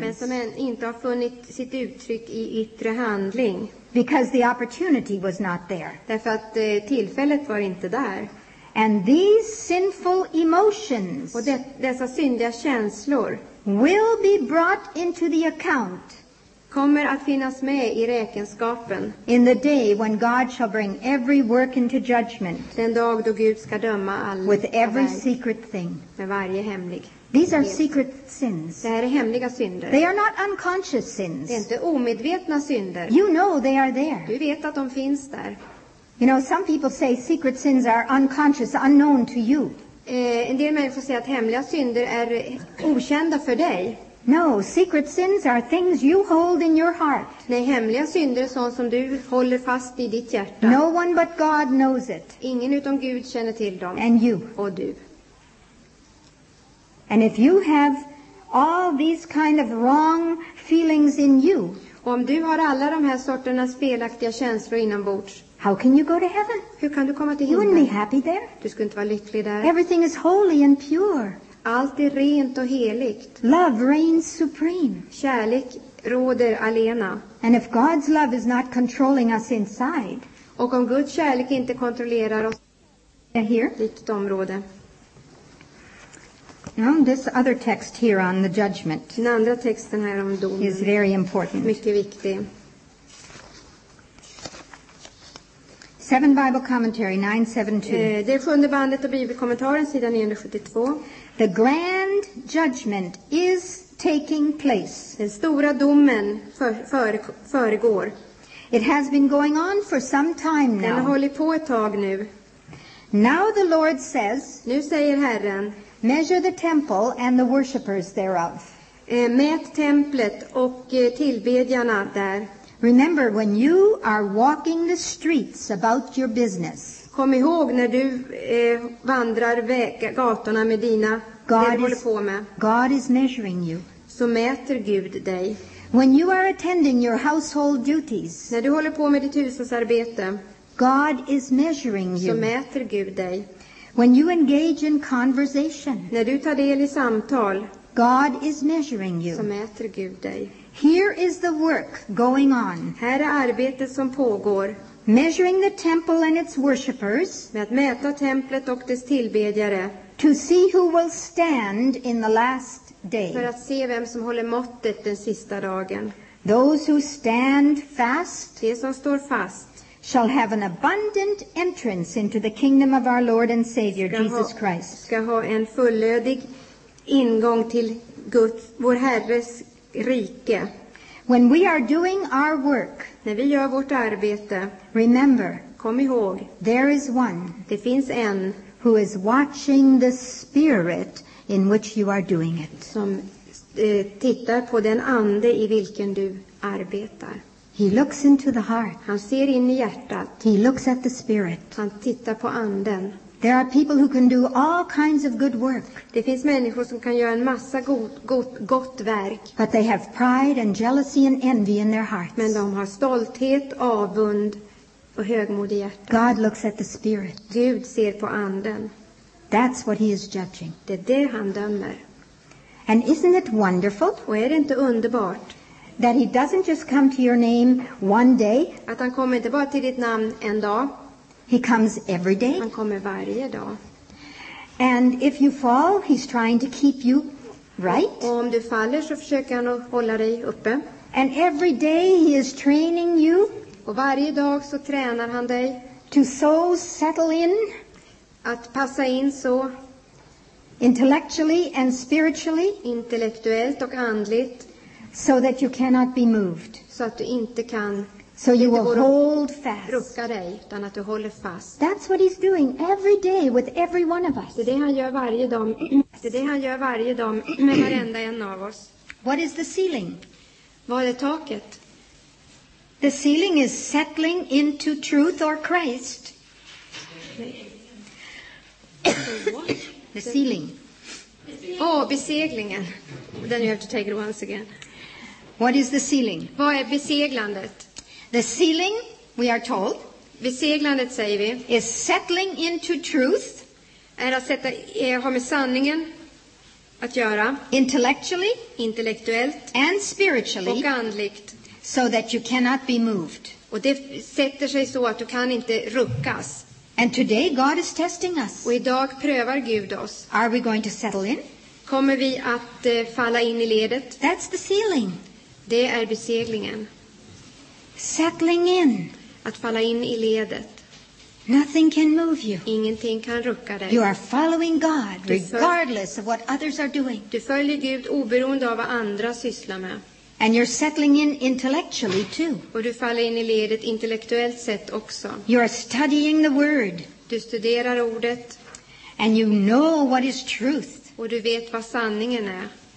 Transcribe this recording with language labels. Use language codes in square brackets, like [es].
[sv] men som än inte har funnit sitt uttryck i yttre handling, [en] because the opportunity was not there, [sv] därför att tillfället var inte där. [en] And these sinful emotions, [sv] och dessa syndiga känslor, [en] will be brought into the account, [sv] kommer att finnas med i räkenskapen. [en] In the day when God shall bring every work into judgment. [sv] Den dag då Gud ska döma allt. [en] With every secret thing. [sv] Med varje hemlig. [en] These are secret sins. [sv] Det här är hemliga synder. [en] They are not unconscious sins. [sv] Det är inte omedvetna synder. [en] You know they are there. [sv] Du vet att de finns där. [en] You know, some people say secret sins are unconscious, unknown to you. [sv] En del människor säger att hemliga synder är okända för dig. [en] No, secret sins are things you hold in your heart. [sv] Nej, hemliga synder är sånt som du håller fast i ditt hjärta. [en] No one but God knows it. [sv] Ingen utom Gud känner till dem. [en] And you. [sv] Och du. [en] And if you have all these kind of wrong feelings in you. [sv] Och om du har alla de här sorternas felaktiga känslor inombords. [en] How can you go to heaven? [sv] Hur kan du komma till himlen? [en] You wouldn't be happy there. [sv] Du skulle inte vara lycklig där. [en] Everything is holy and pure. [sv] Allt är rent och heligt. [en] Love reigns supreme. [sv] Kärlek råder alena. [en] And if God's love is not controlling us inside. [sv] Och om Guds kärlek inte kontrollerar oss. [en] Here. [sv] Ditt område. [en] Now this other text here on the judgment. [sv] Den andra texten här om domen. [en] Is very important. [sv] Mycket viktig. [en] Seven Bible Commentary 972. [sv] Det är sjunde bandet av bibelkommentaren sidan 972. [en] The grand judgment is taking place. [sv] Den stora domen föregår. [en] It has been going on for some time now. [sv] Den har hållit på ett tag nu. [en] Now the Lord says. [sv] Nu säger Herren. [en] Measure the temple and the worshippers thereof. [sv] Mät templet och tillbedjarna där. [en] Remember when you are walking the streets about your business. [sv] Kom ihåg när du vandrar gatorna med dina, God det du håller på med. [en] God is measuring you. [sv] Så mäter Gud dig. [en] When you are attending your household duties. [sv] När du håller på med ditt hushållsarbete. [en] God is measuring you. [sv] Så mäter Gud dig. [en] When you engage in conversation. [sv] När du tar del i samtal. [en] God is measuring you. [sv] Så mäter Gud dig. [en] Here is the work going on. [sv] Här är arbetet som pågår. [en] measuring the temple and its worshippers, [sv] med att mäta templet och dess tillbedjare, [en] to see who will stand in the last day, [sv] för att se vem som håller måttet den sista dagen. [en] Those who stand fast, [sv] de som står fast, [en] shall have an abundant entrance into the kingdom of our Lord and Savior Jesus Christ. [sv] Ska ha en fullödig ingång till Guds, vår Herres rike. [en] When we are doing our work, [sv] när vi gör vårt arbete, [en] remember, [sv] kom ihåg, [en] there is one, [sv] det finns en, [en] who is watching the spirit in which you are doing it. [sv] Som tittar på den ande i vilken du arbetar. [en] He looks into the heart. [sv] Han ser in i hjärtat. [en] He looks at the spirit. [sv] Han tittar på anden. [en] There are people who can do all kinds of good work. [sv] Det finns människor som kan göra en massa gott verk. [en] But they have pride and jealousy and envy in their hearts. [sv] Men de har stolthet, avund och högmod i hjärtat. [en] God looks at the spirit. [sv] Gud ser på anden. [en] That's what he is judging. [sv] Det är det han dömer. [en] And isn't it wonderful? [sv] Och är det inte underbart? [en] That he doesn't just come to your name one day. [sv] Att han kommer inte bara till ditt namn en dag. [en] He comes every day. [sv] Han kommer varje dag. [en] And if you fall, he's trying to keep you right. [sv] Och om du faller så försöker han att hålla dig uppe. [en] And every day he is training you. [sv] Och varje dag så tränar han dig. [en] To so settle in. [sv] Att passa in så. [en] Intellectually and spiritually. [sv] Intellektuellt och andligt. [en] So that you cannot be moved. [sv] Så att du inte kan. [en] So you will hold fast. [sv] Rucka dig, utan att du håller fast. [en] That's what he's doing every day with every one of us. [sv] Det är det han gör varje dag. Det är det han gör varje dag med varenda en av oss. [en] What is the ceiling? [sv] Vad är taket? [en] The ceiling is settling into truth or Christ. The ceiling. [sv] Oh, beseglingen. [en] Then you have to take it once again. What is the ceiling? [sv] Vad är beseglandet? [en] The ceiling, we are told, [sv] beseglandet säger vi, [en] is settling into truth, [sv] är att sätta, är, ha med sanningen att göra, [en] intellectually, [sv] intellektuellt, [en] and spiritually, [sv] och andligt, [en] so that you cannot be moved. [sv] Och det sätter sig så att du kan inte ruckas. [en] And today God is testing us. [sv] Och idag prövar Gud oss. [en] Are we going to settle in? [sv] Kommer vi att falla in i ledet? [en] That's the ceiling. [sv] Det är beseglingen. [en] Settling in. [sv] Att falla in i ledet. [en] Nothing can move you. [sv] Ingenting kan rucka dig. [en] You are following God regardless of what others are doing. [sv] Du följer Gud oberoende av vad andra sysslar med. [en] And you're settling in intellectually too. [sv] Och du faller in i ledet intellektuellt sett också. [en] You are studying the word. [sv] Du studerar ordet. [en] And you know what is truth. [sv] Och du vet vad sanningen är.